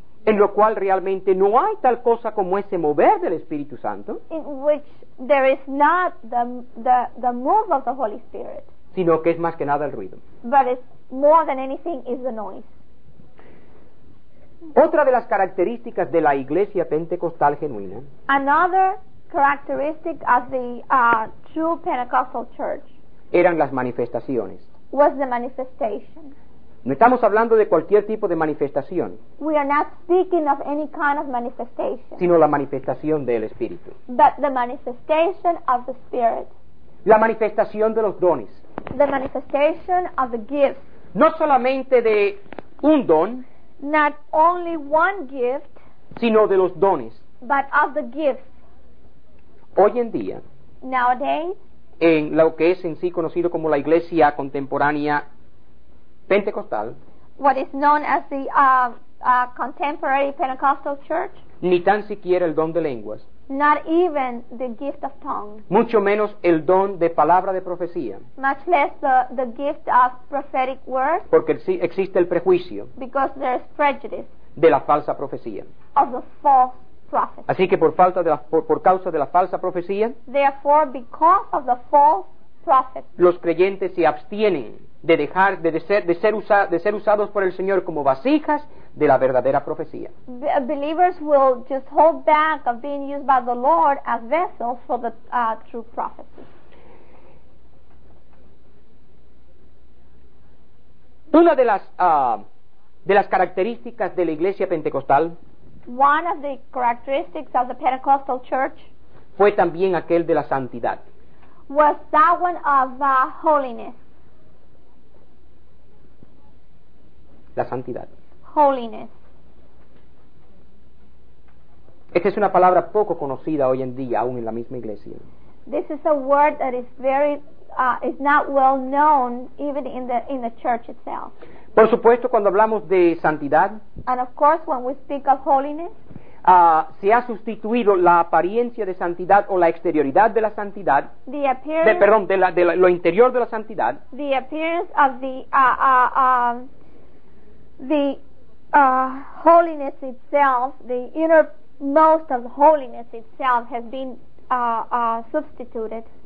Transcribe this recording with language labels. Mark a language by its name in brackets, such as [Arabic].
[Spanish] En lo cual realmente no hay tal cosa como ese mover del Espíritu Santo. [English] In which there is not the move of the Holy Spirit. [Spanish] Sino que es más que nada el ruido. [English] But it's more than anything is the noise. [Spanish] Otra de las características de la iglesia pentecostal genuina. [English] Another characteristic of the true Pentecostal church. [Spanish] Eran las manifestaciones. [English] Was the manifestation. [Spanish] No estamos hablando de cualquier tipo de manifestación. [English] We are not speaking of any kind of manifestation. [Spanish] Sino la manifestación del Espíritu. [English] But the manifestation of the Spirit. [Spanish] La manifestación de los dones. [English] The manifestation of the gifts. [Spanish] No solamente de un don. [English] Not only one gift. [Spanish] Sino de los dones. [English] But of the gifts. [Spanish] Hoy en día. [English] Nowadays. [Spanish] En lo que es en sí conocido como la iglesia contemporánea pentecostal, [English] what is known as the contemporary Pentecostal church, [Spanish] ni tan siquiera el don de lenguas, [English] not even the gift of tongues, [Spanish] mucho menos el don de palabra de profecía, [English] much less the gift of prophetic word, [Spanish] porque existe el prejuicio, [English] because there is prejudice, [Spanish] de la falsa profecía, [English] of the false prophecy. [Spanish] Así que por causa de la falsa profecía, [English] therefore because of the false prophet, [Spanish] los creyentes se abstienen de ser usados por el Señor como vasijas de la verdadera profecía. [English] Believers will just hold back of being used by the Lord as vessels for the true prophecy. [Spanish] Una de las características de la iglesia pentecostal, [English] one of the characteristics of the Pentecostal church, [Spanish] fue también aquel de la santidad, [English] was that one of holiness. [Spanish] La santidad. [English] Holiness. [Spanish] Esta es una palabra poco conocida hoy en día, aún en la misma iglesia. [English] This is a word that is not well known even in the church itself. [Spanish] Por supuesto, cuando hablamos de santidad, [English] and of course, when we speak of holiness, [Spanish] se ha sustituido la apariencia de santidad o la exterioridad de la santidad, [English] the appearance, [Spanish] lo interior de la santidad, [English] the appearance of the holiness itself, the innermost of holiness itself has been substituted,